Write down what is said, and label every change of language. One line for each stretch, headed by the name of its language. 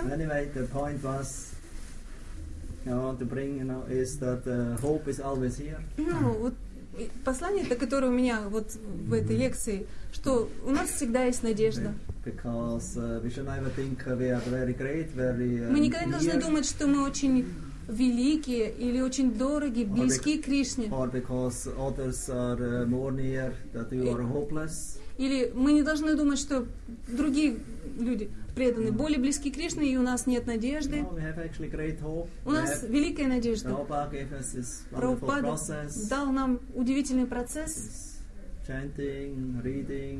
English: Anyway, the point was I want to bring, you know, is that hope is always here.
Russian: Вот послание, которое у меня вот в этой лекции, что у нас всегда есть надежда.
English: Because we should never think we are very great, very
Russian: мы никогда не должны думать, что мы очень великие или очень дороги, близки к Кришне.
English: Or because others are more near, that you are hopeless.
Russian: Или мы не должны думать, что другие люди преданы, более близки к Кришне, и у нас нет надежды.
English: No, we have actually great hope.
Russian: У нас великая надежда. Прабхупада дал нам удивительный процесс.
English: Chanting, reading.